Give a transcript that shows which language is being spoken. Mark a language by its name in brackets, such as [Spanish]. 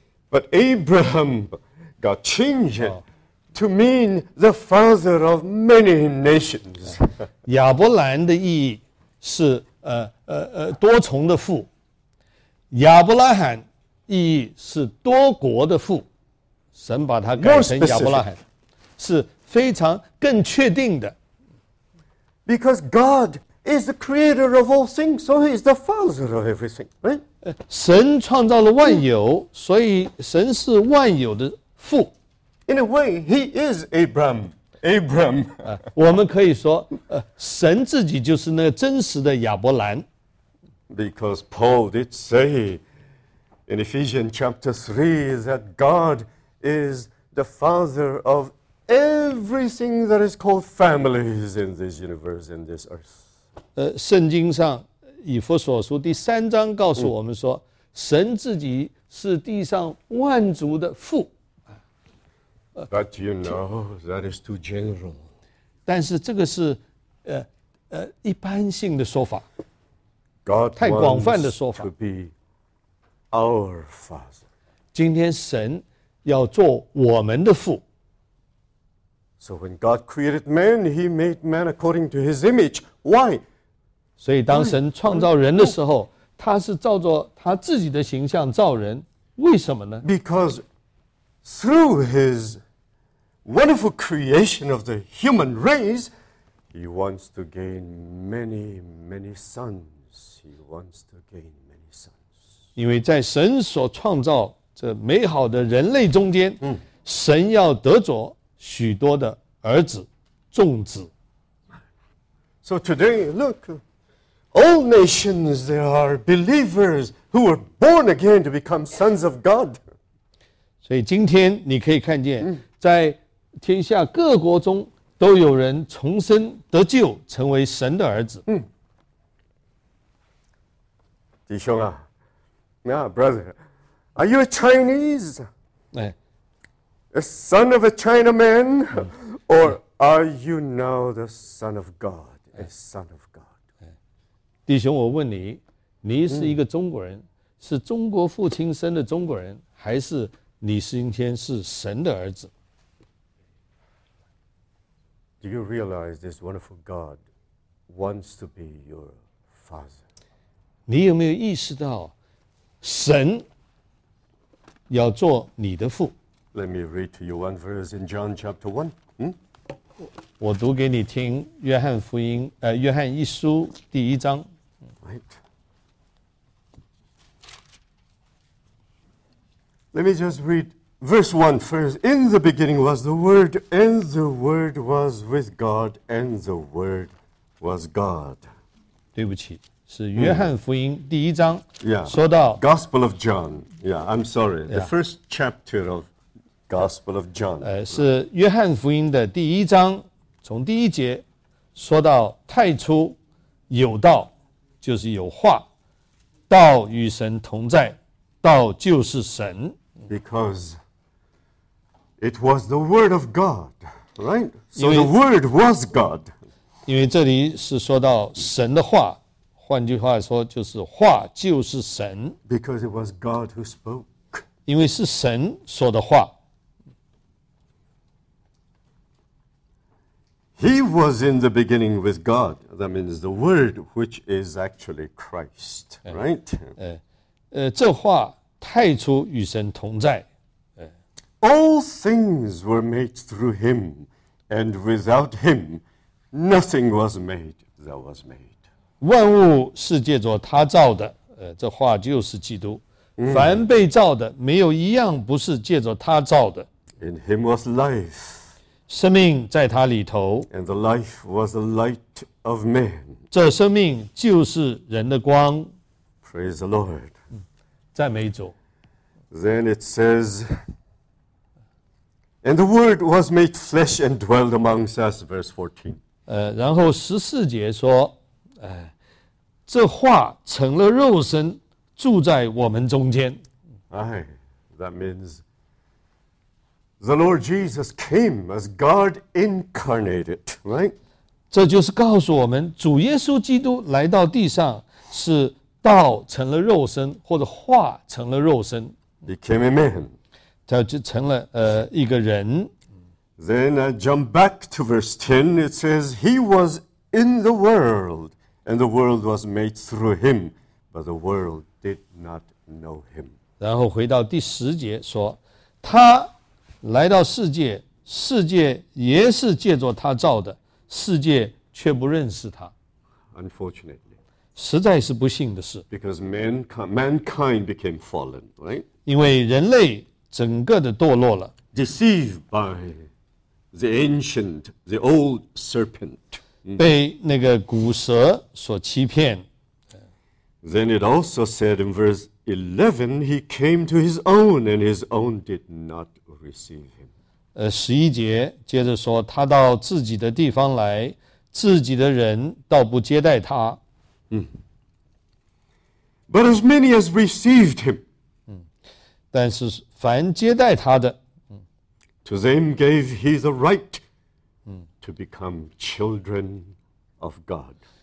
[English] But Abraham got changed to mean the father of many nations. [Chinese] 亚伯兰的意义是多重的父。亚伯拉罕意义是多国的父。神把他改成亚伯拉罕，是非常更确定的。 [English] Because God is the creator of all things, so he is the father of everything, right? [Chinese] 神创造了万有，所以神是万有的父。 [English] In a way, he is Abram. Abram. [Chinese] 我们可以说，神自己就是那真实的亚伯兰。 [English] Because Paul did say in Ephesians chapter 3 that God is the father of everything that is called families in this universe, in this earth. [Chinese] 圣经上以弗所书第三章告诉我们说，神自己是地上万族的父。 [English] But you know, that is too general. [Chinese] 但是这个是一般性的说法。 [English] God [Chinese] 太广泛的说法。 [English] To be our father. [Chinese] 今天神要做我们的父。 [English] So when God created man, he made man according to his image. Why? [Chinese] 所以当神创造人的时候，他是照着他自己的形象造人。为什么呢？ [English] Because through his wonderful creation of the human race, he wants to gain many, many sons. He wants to gain many sons. [Chinese] 因为在神所创造这美好的人类中间，神要得着许多的儿子，众子。 [English] So today, look, all nations, there are believers who were born again to become sons of God. [Chinese] 所以今天你可以看见，在天下各国中都有人重生得救，成为神的儿子。弟兄啊，那 [English] brother, are you a Chinese? A son of a Chinaman, or are you now the son of God? A son of God. [Chinese] 弟兄，我问你，你是一个中国人，是中国父亲生的中国人，还是你今天是神的儿子？ [English] Do you realize this wonderful God wants to be your father? [Chinese] 你有没有意识到，神要做你的父？ [English] Let me read to you one verse in John chapter 1. [Chinese] 我读给你听约翰福音约翰一书第一章。 [English] Right. Let me just read verse 1 first. In the beginning was the Word, and the Word was with God, and the Word was God. [Chinese] 对不起，是约翰福音第一章、 [English] yeah. [Chinese] 说到 [English] Gospel of John. Yeah, I'm sorry. The first chapter of Gospel of John. [Chinese] 是约翰福音的第一章，从第一节说到太初有道，就是有话，道与神同在，道就是神。 [English] Because it was the Word of God, right? So the Word was God. [Chinese] 因为这里是说到神的话，换句话说就是话就是神。 [English] Because it was God who spoke. [Chinese] 因为是神说的话。 [English] He was in the beginning with God. That means the Word, which is actually Christ, right? [Chinese] 这话太初与神同在。 [English] All things were made through him, and without him, nothing was made that was made. [Chinese] 万物是借着他造的，这话就是基督。凡被造的，没有一样不是借着他造的。 [English] In him was life. [Chinese] 生命在他里头。 [English] And the life was the light of man. [Chinese] 这生命就是人的光。 [English] Praise the Lord. [Chinese] 赞美主。 [English] Then it says,And the Word was made flesh and dwelled amongst us, verse 14. [Chinese] 然后十四节说，这话成了肉身，住在我们中间。 [English] Aye, that means the Lord Jesus came as God incarnated, right? [Chinese] 这就是告诉我们，主耶稣基督来到地上，是道成了肉身，或者话成了肉身。 [English] He came a man. [Chinese] 他就成了一个人。 [English] Then I jump back to verse 10. It says he was in the world, and the world was made through him, but the world did not know him. [Chinese] 然后回到第十节说，他来到世界，世界也是借着他造的，世界却不认识他。 [English] Unfortunately, [Chinese] 实在是不幸的事。 [English] Because mankind became fallen, right? [Chinese] 因为人类整个的堕落了 [English] ，deceived by the ancient, the old serpent， [Chinese] 被那个古蛇所欺骗。 [English] Then it also said in verse 11, he came to his own, and his own did not receive him. [Chinese] 十一节接着说，他到自己的地方来，自己的人倒不接待他。 [English] But as many as received him. [Chinese] 但是凡接待他的 [English] To them gave he the right to become children of God.